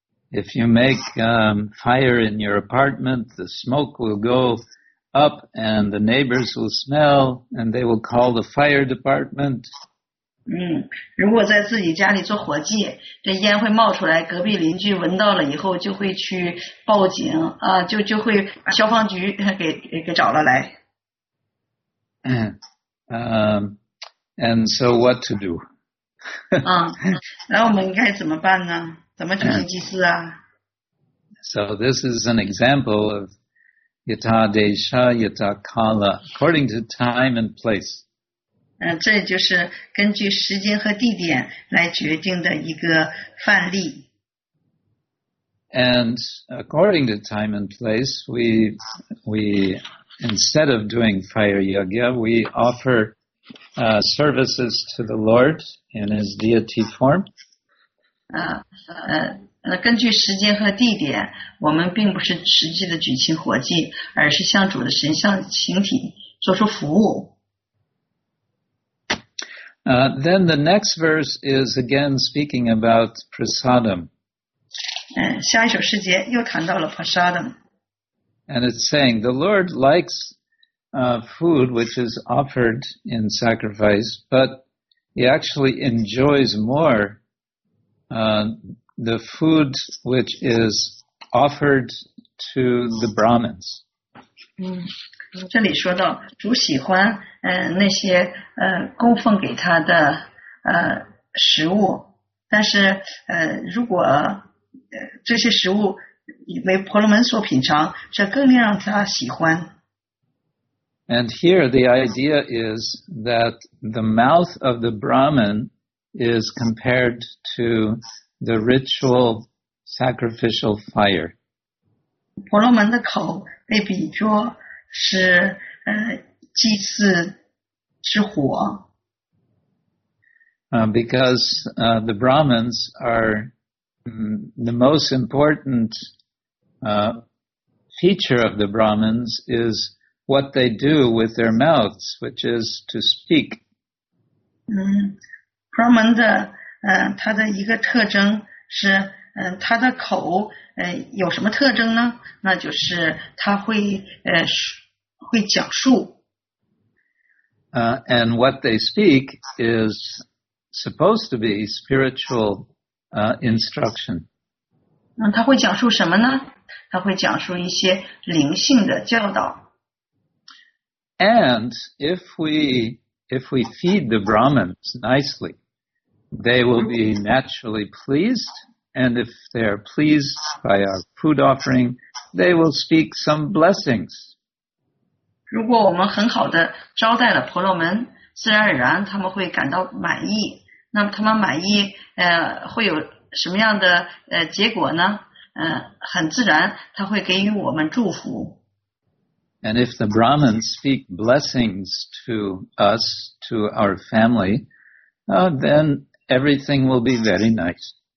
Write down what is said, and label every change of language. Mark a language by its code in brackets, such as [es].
[en] If you make fire in your apartment, the smoke will go up and the neighbors will smell and they will call the fire department. [zh] 如果在自己家里做火祭,这烟会冒出来,隔壁邻居闻到了以后就会去报警,就会把消防局给找了来。 [en] And so what to do? [zh] 那我们应该怎么办呢？怎么举行祭祀啊 [en] ？So this is an example of [sa] yata desha yata kala, [en] according to time and place. [zh] 这就是根据时间和地点来决定的一个范例。 [en] And according to time and place, we instead of doing fire yoga, we offer services to the Lord in His deity form. [zh] 根据时间和地点，我们并不是实际的举行活祭，而是向主的神像形体做出服务。 [en] Then the next verse is again speaking about prasadam. [zh] 下一首诗节又谈到了 prasadam. [en] And it's saying, the Lord likes food which is offered in sacrifice, but he actually enjoys more the food which is offered to the Brahmins. [zh] 这里说到主喜欢那些供奉给他的食物，但是如果这些食物为婆罗门所品尝，这更令让他喜欢。 [en] And here the idea is that the mouth of the Brahman is compared to the ritual sacrificial fire. [zh] 婆罗门的口被比作是祭祀之火。 [en] Because the Brahmins are the most important feature of the Brahmins is what they do with their mouths, which is to speak. [zh] Brahman 的他的一个特征是他的口有什么特征呢？那就是他会会讲述。 [en] And what they speak is supposed to be spiritual instruction. [zh] 他会讲述什么呢？他会讲述一些灵性的教导。 [en] And if we feed the Brahmins nicely, they will be naturally pleased. And if they are pleased by our food offering, they will speak some blessings. [zh] 如果我们很好的招待了婆罗门，自然而然他们会感到满意。那么他们满意，会有什么样的结果呢？很自然，他会给予我们祝福。 [en] And if the Brahmins speak blessings to us, to our family, then everything will be very nice.